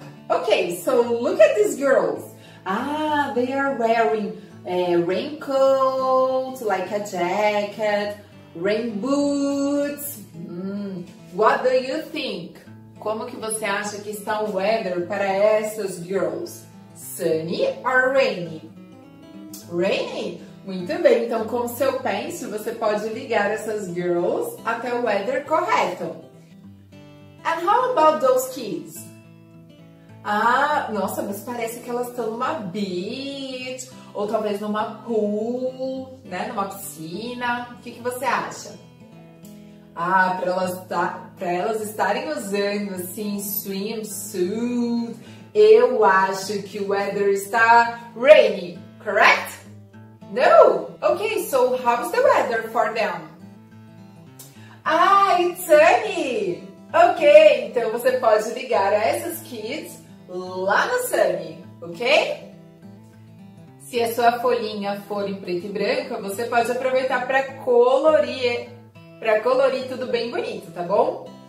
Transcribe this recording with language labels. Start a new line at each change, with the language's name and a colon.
English: Okay, so look at these girls. Ah, they are wearing a raincoat, like a jacket, rain boots. What do you think?
Portuguese: Como que você acha que está o weather para essas girls?
English: Sunny or rainy? Rainy?
Portuguese: Muito bem, então com seu pencil você pode ligar essas girls até o weather correto.
English: And how about those kids?
Portuguese: Ah, nossa, mas parece que elas estão numa beach, ou talvez numa pool, né, numa piscina. O que você acha? Ah, para elas estarem usando, assim, swimsuit, eu acho que o weather está rainy, correct?
English: No? Okay, so how's the weather for them? Ah, it's sunny!
Portuguese: Okay, então você pode ligar a essas kids lá no Sunny, ok? Se a sua folhinha for em preto e branco, você pode aproveitar para colorir tudo bem bonito, tá bom?